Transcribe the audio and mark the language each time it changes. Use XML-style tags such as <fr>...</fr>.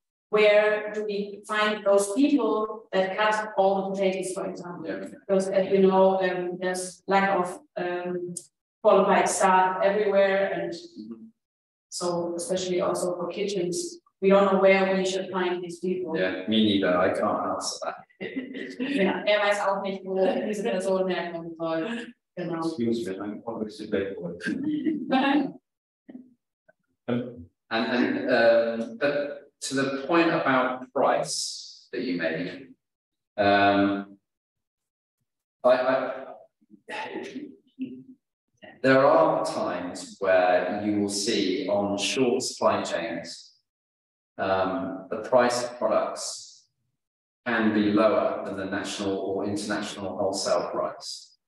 <en>where do we find those people that cut all the potatoes, for example? Yeah. Because as you know, there's lack of qualified staff everywhere, and so especially also for kitchens, we don't know where we should find these people. Yeah, me neither. I can't answer that.</en> <de>Yeah, weiß auch nicht, wo diese Personen herkommen sollen.</de> <en>But to the point about price that you made, there are times where you will see on short supply chains the price of products can be lower than the national or international wholesale price.</en>